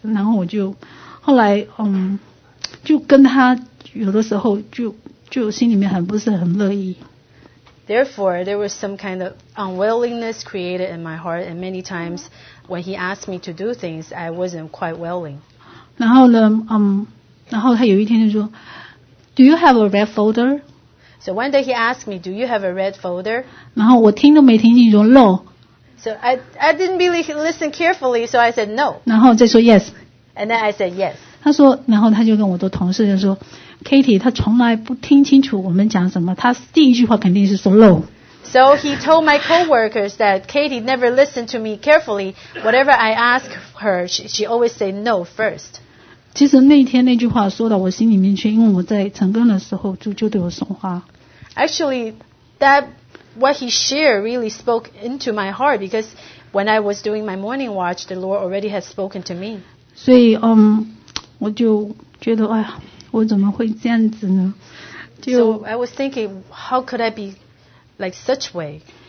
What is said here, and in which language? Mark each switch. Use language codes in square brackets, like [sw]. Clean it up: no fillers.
[zh] 然后我就后来就跟他有的时候就心里面很不是很乐意。 [en] Therefore, there was some kind of unwillingness created in my heart, and many times when he asked me to do things, I wasn't quite willing. [zh] 然后呢，然后他有一天就说 ， [en] Do you have a red folder? So one day he asked me, "Do you have a red folder?" [zh] 然后我听都没听清楚 ，No. [en] So I didn't really listen carefully, so I said no. [zh] 然后再说 yes. [en] And then I said yes. [zh] 他说，然后他就跟我的同事就说。Katie, 她从来不听清楚我们讲什么，她第一句话肯定是说 no. [en] So he told my coworkers that Katie never listened to me carefully. Whatever I ask her, she always say no first. [zh] 其实那天那句话说到我心里面去，因为我在成功的时候就对我说话。 [en] Actually, that what he shared really spoke into my heart because when I was doing my morning watch, the Lord already had spoken to me. [zh] 所以我就觉得哎呀。我怎么会这样子呢？就 [en] So I was thinking, how could I be like such way?